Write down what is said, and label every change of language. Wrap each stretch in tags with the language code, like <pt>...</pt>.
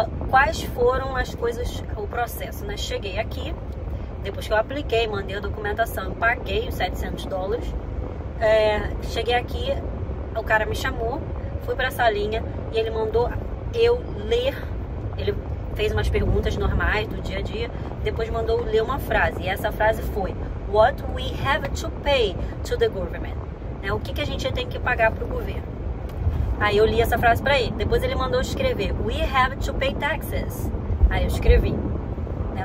<pt>Quais foram as coisas, o processo, né? Cheguei aqui, depois que eu apliquei, mandei a documentação, paguei os $700. Cheguei aqui, o cara me chamou, fui pra salinha e ele mandou eu ler. Ele fez umas perguntas normais do dia a dia, depois mandou ler uma frase. E essa frase foi:</pt> <en>What we have to pay to the government?</en> <pt>O que a gente tem que pagar pro governo? Aí eu li essa frase pra ele. Depois ele mandou escrever:</pt> <en>We have to pay taxes.</en> <pt>Aí eu escrevi, né?</pt>